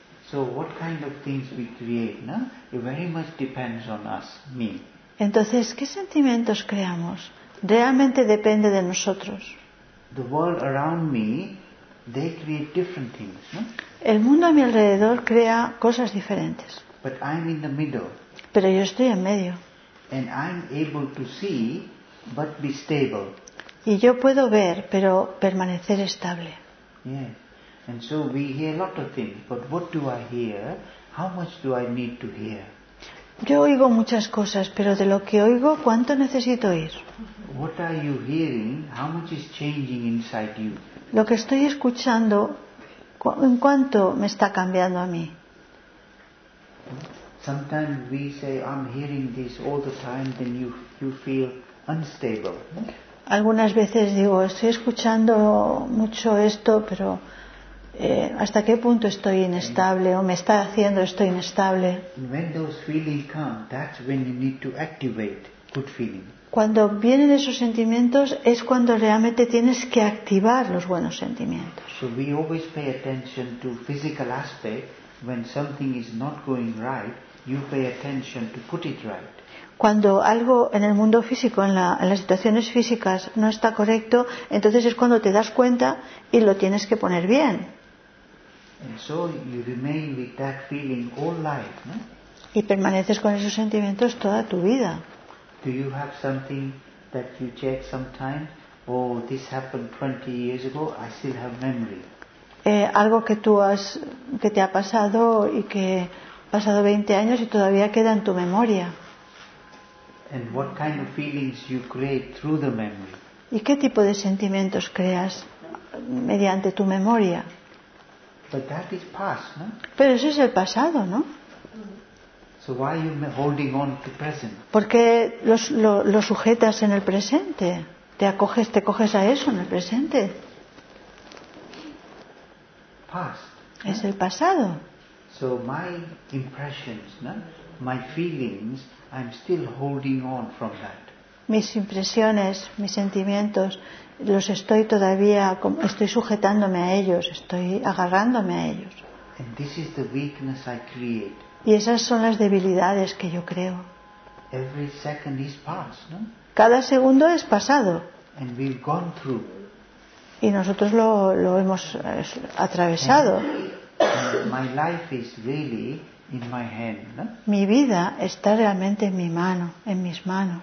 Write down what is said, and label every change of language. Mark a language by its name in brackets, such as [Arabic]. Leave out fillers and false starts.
[English] So what kind of things we create, no? It very much depends on us, me. [Spanish] Entonces, ¿qué sentimientos creamos? Realmente depende de nosotros. [English] The world around me, they create different things, no? [Spanish] El mundo a mi alrededor crea cosas diferentes. [English] But I'm in the middle. [Spanish] Pero yo estoy en medio. [English] And I'm able to see, but be stable. [Spanish] Y yo puedo ver, pero permanecer estable. [English] Yeah. And so we hear a lot of things, but what do I hear? How much do I need to hear? [Spanish] Yo oigo muchas cosas, pero de lo que oigo, ¿cuánto necesito oír? [English] What are you hearing? How much is changing inside you? [Spanish] Lo que estoy escuchando, ¿en cuánto me está cambiando a mí? [English] Sometimes we say I'm hearing this all the time, then you feel unstable. [Spanish] Algunas veces digo estoy escuchando mucho esto, pero ¿hasta qué punto estoy inestable o me está haciendo esto inestable? [English] When those feelings come, that's when you need to activate good feeling. [Spanish] Cuando vienen esos sentimientos es cuando realmente tienes que activar los buenos sentimientos. [English] So we always pay attention to physical aspect. When something is not going right, you pay attention to put it right. [Spanish] Cuando algo en el mundo físico, en las situaciones físicas no está correcto, entonces es cuando te das cuenta y lo tienes que poner bien. [English] And so you remain with that feeling all life, no? [Spanish] Y permaneces con esos sentimientos toda tu vida. [English] Do you have something that you check sometimes? Oh, this happened 20 years ago, I still have memory. [Spanish] Algo que tú has, que te ha pasado y que ha pasado 20 años y todavía queda en tu memoria. [English] And what kind of feelings you create through the memory. [Spanish] ¿Y qué tipo de sentimientos creas mediante tu memoria? [English] But that is past, no? [Spanish] Pero eso es el pasado, ¿no? [English] So why are you holding on to present? [Spanish] ¿Por qué lo sujetas en el presente? ¿Te coges a eso en el presente? [English] Past. [Spanish] Es el pasado. [English] So my impressions, no? My feelings, I'm still holding on from that. [Spanish] Mis impresiones, mis sentimientos, los estoy todavía, estoy sujetándome a ellos, estoy agarrándome a ellos. [English] And this is the weakness I create. [Spanish] Y esas son las debilidades que yo creo. [English] Every second is past, no? [Spanish] Cada segundo es pasado. [English] And we've gone through. [Spanish] Y nosotros lo hemos atravesado. [English] My life is really in my hand, no? [Spanish] Mi vida está realmente en mi mano, en mis manos.